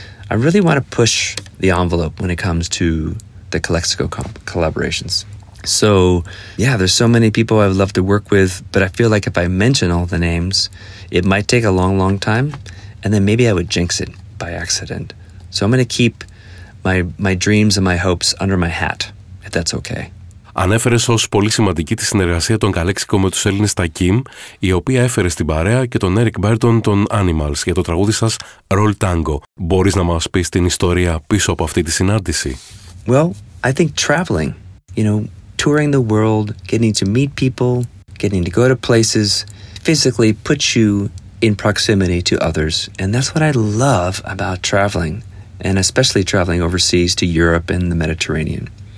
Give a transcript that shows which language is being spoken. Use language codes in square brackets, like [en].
[en] I really want to push the envelope when it comes to the Calexico collaborations. So, yeah, there's so many people I'd love to work with, but I feel like if I mention all the names, it might take a long, long time, and then maybe I would jinx it by accident. So I'm going to keep my dreams and my hopes under my hat, if that's okay. [el] Ανέφερες ως πολύ σημαντική τη συνεργασία των Καλέξικο με τους Έλληνες τα Kim, η οποία έφερε στην παρέα και τον Eric Burton των Animals για το τραγούδι σας Roll Tango. Μπορείς να μας πεις την ιστορία πίσω από αυτή τη συνάντηση? [en] Well, I think traveling, you know, touring the world, getting to meet people, getting to go to places, physically puts you in proximity to others. And that's what I love about traveling, and especially traveling overseas to Europe and the Mediterranean.